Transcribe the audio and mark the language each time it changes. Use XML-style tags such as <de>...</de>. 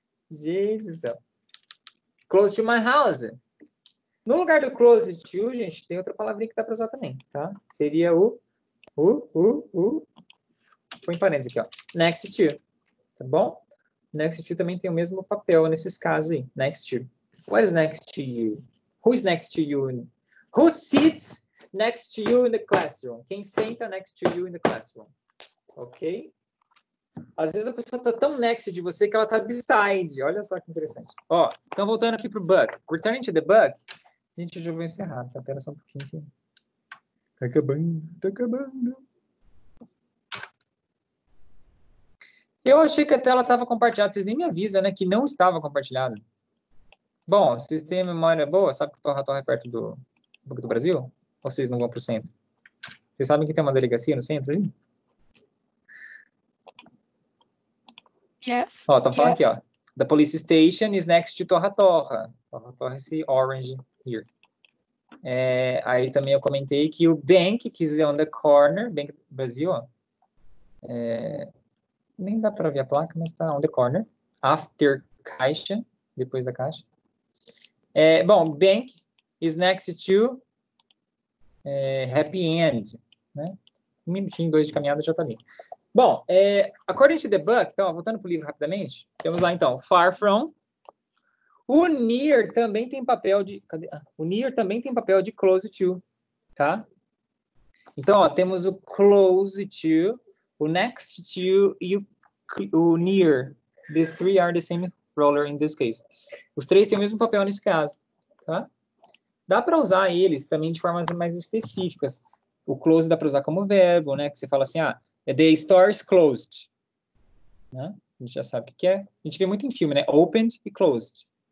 <en>Jesus. Close to my house.</en> <pt>No lugar do close to, gente, tem outra palavrinha que dá para usar também, tá? Seria o. Põe parênteses aqui, ó. Next to. Tá bom? Next to também tem o mesmo papel nesses casos aí.</pt> <en>Next to. What is next to you? Who is next to you? Who sits next to you in the classroom?</en> <pt>Quem senta</pt> <en>next to you in the classroom? Ok?</en> <pt>Às vezes a pessoa tá tão next de você que ela tá beside. Olha só que interessante. Ó, então voltando aqui pro book.</pt> <en>Returning to the book.</en> <pt>Gente, eu já vou encerrar. Tá? Pera só um pouquinho aqui. Tá acabando, tá acabando. Eu achei que a tela estava compartilhada. Vocês nem me avisam, né? Que não estava compartilhada. Bom, vocês têm memória boa? Sabe que a torre é perto do Banco do Brasil? Ou vocês não vão para o centro? Vocês sabem que tem uma delegacia no centro ali?</pt> <en>Yes.</en> <pt>Ó, tá falando aqui, ó.</pt> <en>The police station is next to Torra Torra.</en> <pt>Torra Torra é esse</pt> <en>orange here.</en> <pt>É, aí também eu comentei que o bank, que</pt> <en>is on the corner,</en> <pt>Bank do Brasil, ó. É, nem dá pra ver a placa, mas tá</pt> <en>on the corner.</en> <pt>After caixa, depois da caixa. É, bom,</pt> <en>bank is next to Happy End,</en> <pt>né? Um minutinho, dois de caminhada já tá ali. Bom, according to the book, então, voltando para o livro rapidamente, temos lá, então, far from. O near também tem papel de... Cadê? Ah, o near também tem papel de close to, tá? Então, ó, temos o close to, o next to e o near.</pt> <en>The three are the same roller in this case.</en> <pt>Os três têm o mesmo papel nesse caso, tá? Dá para usar eles também de formas mais específicas. O close dá para usar como verbo, né? Que você fala assim, ah...</pt> <en>The store is closed.</en> <pt>Né? A gente já sabe o que é. A gente vê muito em filme, né? Opened e closed.</pt>